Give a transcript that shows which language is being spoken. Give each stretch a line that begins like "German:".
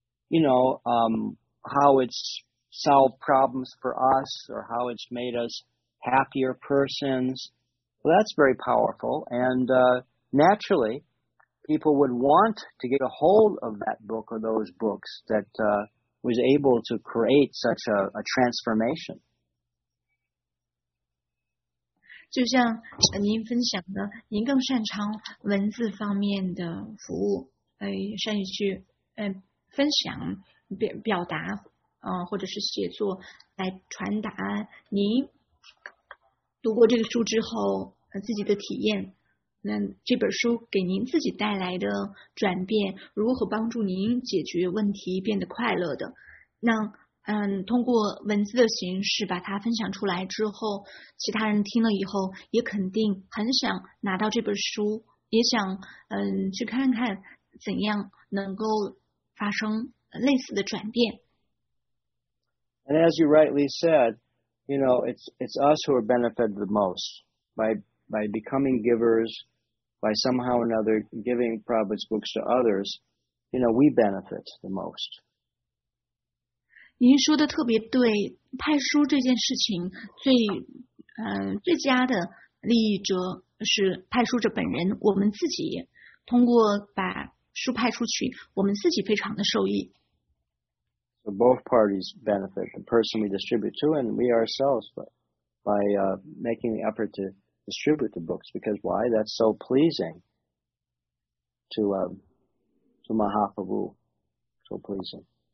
English: you know, how it's solved problems for us or how it's made us happier persons,Well, that's very powerful, and naturally, people would want to get a hold of that book or those books that was able to create such a transformation.
Chinese: 就像您分享的，您更擅长文字方面的服务，善于去分享、表达，或者是写作来传达您读过这个书之后。自己的体验，那这本书给您自己带来的转变，如何帮助您解决问题，变得快乐的？那通过文字的形式把它分享出来之后，其他人听了以后也肯定很想拿到这本书，也想去看看怎样能够发生类似的转变。
English: And as you rightly said, you know, it's us who are benefited the most by becoming givers, by somehow or another giving Prabhupada's books to others. You know, we benefit the most.
Chinese: 您说的特别对，派书这件事情最最佳的利益者是派书者本人，我们自己通过把书派出去，我们自己非常的受益。
English: So both parties benefit, the person we distribute to and we ourselves by making the effort to distribute the books. Because why? That's so pleasing to Mahaprabhu. So pleasing.